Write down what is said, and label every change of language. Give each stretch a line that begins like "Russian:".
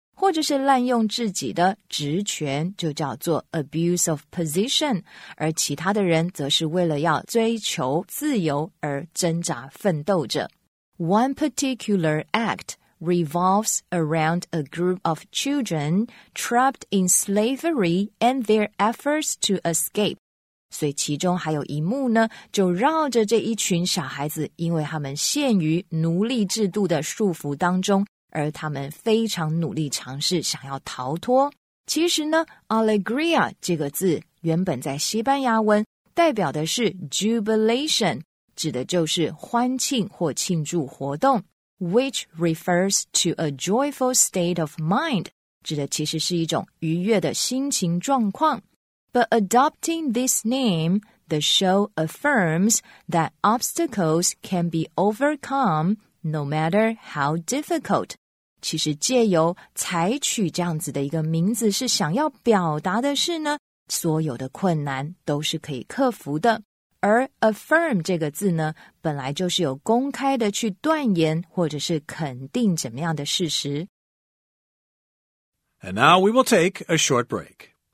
Chinese: 或者是滥用自己的职权，就叫做
English: abuse of position，
Chinese: 而其他的人则是为了要追求自由而挣扎奋斗着。
English: One particular act revolves around a group of children trapped in slavery and their efforts to escape.
Chinese: 所以其中还有一幕呢，就绕着这一群小孩子，因为他们陷于奴隶制度的束缚当中，而他们非常努力尝试想要逃脱。其实呢 ,alegria 这个字原本在西班牙文代表的是 jubilation, 指的就是欢庆或庆祝活动 ,
English: which refers to a joyful state of mind,
Chinese: 指的其实是一种愉悦的心情状况。
English: But adopting this name, the show affirms that obstacles can be overcome no matter how difficult.
Chinese: 其实借由采取这样子的一个名字是想要表达的是呢，所有的困难都是可以克服的。而 affirm 这个字呢，本来就是有公开的去断言或者是肯定怎么样的事实。
English: And now we will take a short break.